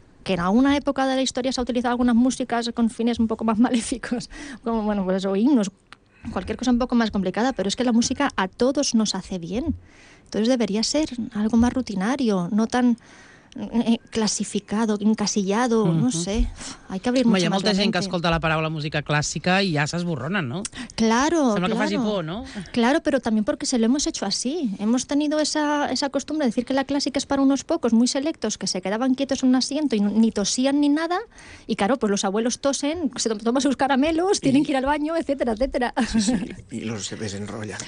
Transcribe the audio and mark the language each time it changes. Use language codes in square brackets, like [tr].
[es] Que en alguna época de la historia se ha utilizado algunas músicas con fines un poco más maléficos, como bueno, pues o himnos, cualquier cosa un poco más complicada, pero es que la música a todos nos hace bien. Entonces debería ser algo más rutinario, no tan... classificado, encasillado, no sé. Hay que abrir mucho más. [ca] Hi ha molta gent que escolta la paraula música clàssica i ja s'esborronen, no? [es] Claro, [ca] sembla que faci por, no? [es] Claro, pero también porque se lo hemos hecho así. Hemos tenido esa costumbre de decir que la clásica es para unos pocos, muy selectos, que se quedaban quietos en un asiento y ni tosían ni nada. Y claro, pues los abuelos tosen, se toman sus caramelos, tienen que ir al baño, etcétera, etcétera. Sí, sí, y los se desenrolla.